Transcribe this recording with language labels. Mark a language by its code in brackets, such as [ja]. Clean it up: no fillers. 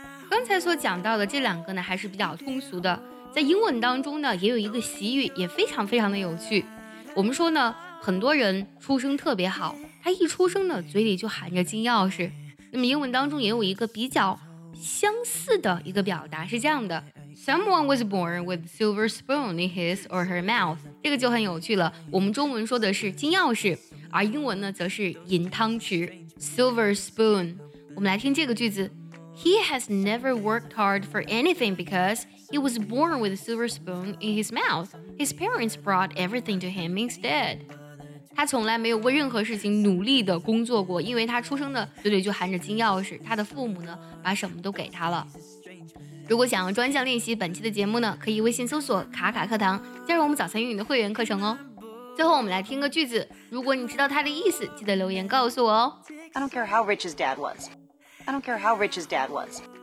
[zh] 刚才所讲到的这两个呢还是比较通俗的。在英文当中呢也有一个习语也非常非常的有趣。我们说呢很多人出生特别好他一出生呢嘴里就含着金钥匙。那么英文当中也有一个比较相似的一个表达是这样的。 [en] Someone was born with a silver spoon in his or her mouth. [zh] 这个就很有趣了。我们中文说的是金钥匙，而英文呢则是银汤匙 ，silver spoon。我们来听这个句子 [en] ：He has never worked hard for anything because he was born with a silver spoon in his mouth. His parents brought everything to him instead. [zh] 他从来没有为任何事情努力的工作过，因为他出生的嘴里就含着金钥匙，他的父母呢把什么都给他了。如果想要专项练习本期的节目呢可以微信搜索卡卡课堂加入我们早餐英语的会员课程哦最后我们来听个句子如果你知道它的意思记得留言告诉我哦 [en] I don't care how rich his dad was I don't care how rich his dad was